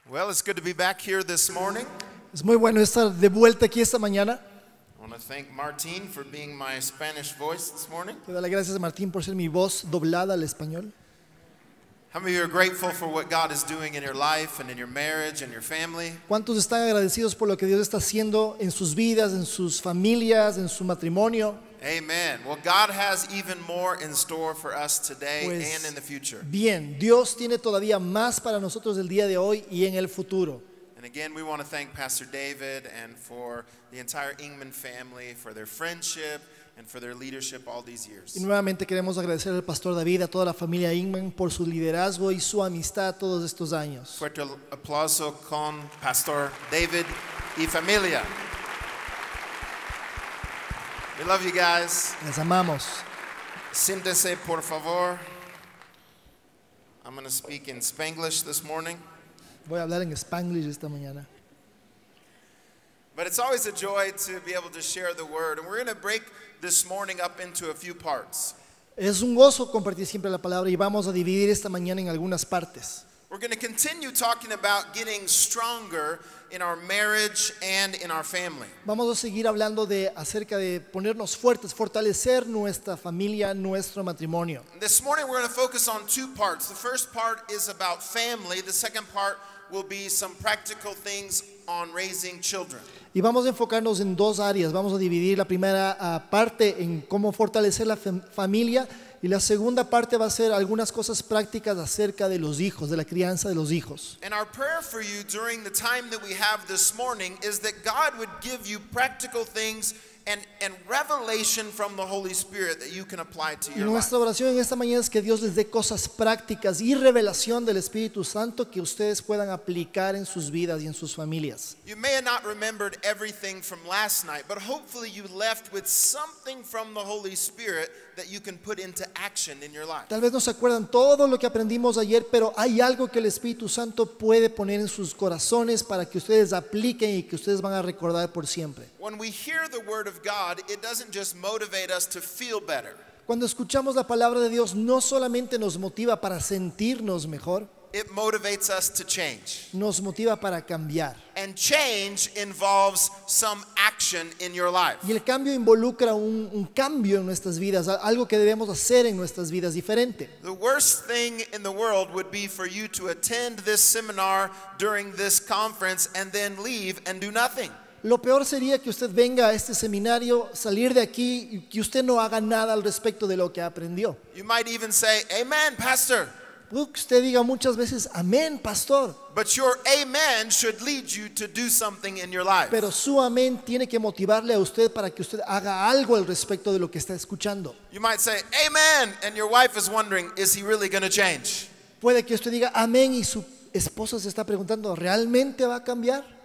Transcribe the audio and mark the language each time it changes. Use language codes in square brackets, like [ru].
[en] it's good to be back here this morning. [es] Es muy bueno estar de vuelta aquí esta mañana. [en] I want to thank Martin for being my Spanish voice this morning. [es] Te doy las gracias a Martín por ser mi voz doblada al español. [en] How many of you are grateful for what God is doing in your life and in your marriage and your family? [es] ¿Cuántos están agradecidos por lo que Dios está haciendo en sus vidas, en sus familias, en su matrimonio? [en] Amen. Well, God has even more in store for us today and in the future. [es] Bien, Dios tiene todavía más para nosotros el día de hoy y en el futuro. [en] And again, we want to thank Pastor David and for the entire Ingman family for their friendship and for their leadership all these years. [es] Y nuevamente queremos agradecer al Pastor David, a toda la familia Ingman por su liderazgo y su amistad todos estos años. Fuerte aplauso con Pastor David y familia. [en] We love you guys. [es] Les amamos. Siéntese, por favor. [en] I'm going to speak in Spanglish this morning. [es] Voy a hablar en Spanglish esta mañana. [en] But it's always a joy to be able to share the word, and we're going to break this morning up into a few parts. [es] Es un gozo compartir siempre la palabra y vamos a dividir esta mañana en algunas partes. [en] We're going to continue talking about getting stronger in our marriage and in our family. [es] Vamos a seguir hablando de acerca de ponernos fuertes, fortalecer nuestra familia, nuestro matrimonio. [en] This morning we're going to focus on two parts. The first part is about family. The second part will be some practical things on raising children. [es] Y vamos a enfocarnos en dos áreas. Vamos a dividir la primera parte en cómo fortalecer la familia. Y la segunda parte va a ser algunas cosas prácticas acerca de los hijos, de la crianza de los hijos. [en] And our prayer for you during the time that we have this morning is that God would give you practical things and revelation from the Holy Spirit that you can apply to your life. [es] Y nuestra oración en esta mañana es que Dios les dé cosas prácticas y revelación del Espíritu Santo que ustedes puedan aplicar en sus vidas y en sus familias. [en] You may have not remembered everything from last night, but hopefully you left with something from the Holy Spirit that you can put into action in your life. [es] Tal vez no se acuerdan todo lo que aprendimos ayer, pero hay algo que el Espíritu Santo puede poner en sus corazones para que ustedes apliquen y que ustedes van a recordar por siempre. [en] When we hear the word of God, it doesn't just motivate us to feel better. [es] Cuando escuchamos la palabra de Dios, no solamente nos motiva para sentirnos mejor. [en] It motivates us to change. [es] Nos motiva para cambiar. [en] And change involves some action in your life. [es] Y el cambio involucra un cambio en nuestras vidas, algo que debemos hacer en nuestras vidas diferente. [en] The worst thing in the world would be for you to attend this seminar during this conference and then leave and do nothing. [es] Lo peor sería que usted venga a este seminario, salir de aquí y que usted no haga nada al respecto de lo que aprendió. [en] You might even say, "Amen, pastor." [es] Usted diga muchas veces, amén, pastor. [en] But your amen should lead you to do something in your life. [es] Pero su amén tiene que motivarle a usted para que usted haga algo al respecto de lo que está escuchando. [en] You might say, amen, and your wife is wondering, is he really going to change? [es] Puede que usted diga, amén, y su esposa se está preguntando, ¿realmente va a cambiar?